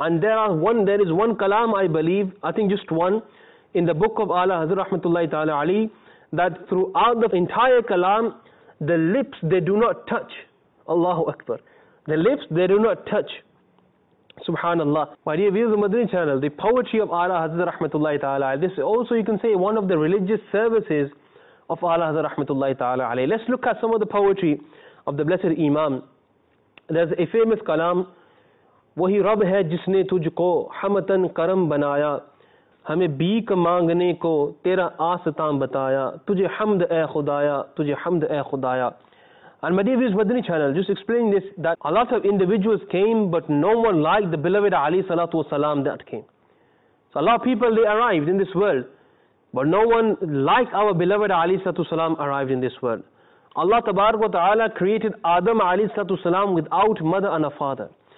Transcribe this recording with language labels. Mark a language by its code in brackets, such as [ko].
[en] And there is one kalam, I think just one, in the book of Ala Hazrat Rahmatullahi Ta'ala Ali, that throughout the entire kalam, the lips, they do not touch. Allahu Akbar. The lips, they do not touch. Subhanallah. My dear viewers of Madani channel, the poetry of Ala Hazrat Rahmatullahi Ta'ala Ali, this also you can say one of the religious services of Ala Hazrat Rahmatullahi Ta'ala Alayhi. Let's look at some of the poetry of the blessed Imam. There's a famous kalam, [ur] وہی رب ہے جس نے تجھ کو حمتن کرم بنایا, ہمیں بیک مانگنے کو تیرا آستان بتایا, تجھے حمد اے خدایا, تجھے حمد اے خدایا. [en] And my dear viewers, Madani channel, just explaining this, that a lot of individuals came, but no one liked the beloved Ali Salatu Wasalam that came. So a lot of people, they arrived in this world, but no one like our beloved Ali Sallallahu Alaihi Wasallam arrived in this world. Allah Tabarak wa Ta'ala created Adam Ali Sallallahu Alaihi Wasallam without mother and a father.